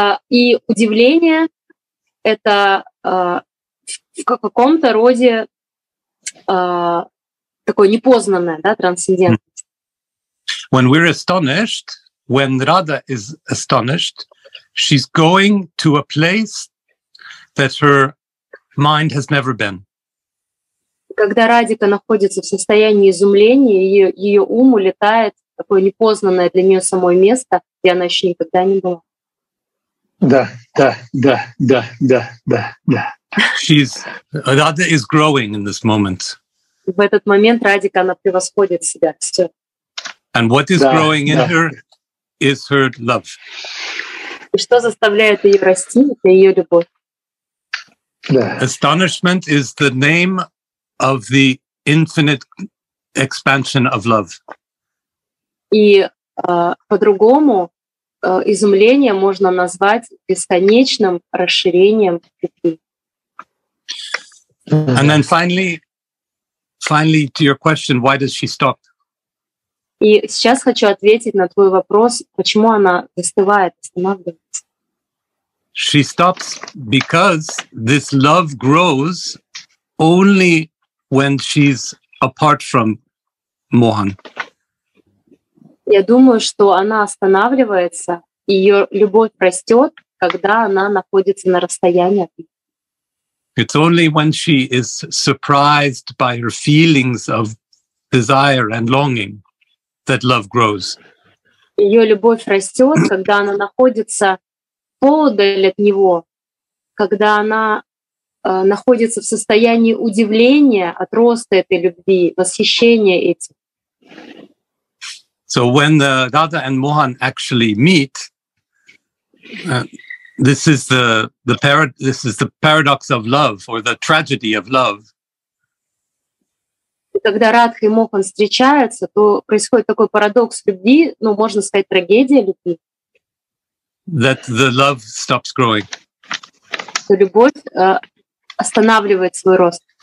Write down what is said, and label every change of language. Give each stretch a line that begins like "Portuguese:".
Russian: И удивление это в каком-то роде такое непознанное, да, трансцендентность.
English: When we're astonished, when Radha is astonished, she's going to a place that her mind has never been.
Russian: Когда Радика находится в состоянии изумления, ее ум улетает такое непознанное для нее самое место, где она еще никогда не была. Да, да, да, да, да, да, да.
English: She's Radha is growing in this moment.
Russian: В этот момент Радика она превосходит себя. Все.
English: And what is growing in her is her love.
Russian: И что заставляет ее расти, это ее любовь.
English: Astonishment is the name of the infinite expansion of love.
Russian: И по-другому изумление можно назвать бесконечным расширением любви.
English: And then finally to your question, why does she stop?
Russian: И сейчас хочу ответить на твой вопрос, почему она застывает, останавливается.
English: She stops because this love grows only when she's apart from Mohan.
Russian: Я думаю, что она останавливается, и ее любовь растет, когда она находится на расстоянии.
English: It's only when she is surprised by her feelings of desire and longing that love grows.
Russian: Ее любовь растет, когда она находится подаль от него, когда она находится в состоянии удивления от роста этой любви, восхищения этим.
English: So when the Radha and Mohan actually meet, this is the paradox of love or the tragedy of love.
Russian: Когда Радха и Мохан встречаются, то происходит такой парадокс любви, ну, можно сказать, трагедия любви.
English: That the love stops growing.
Russian: Что любовь останавливает свой рост.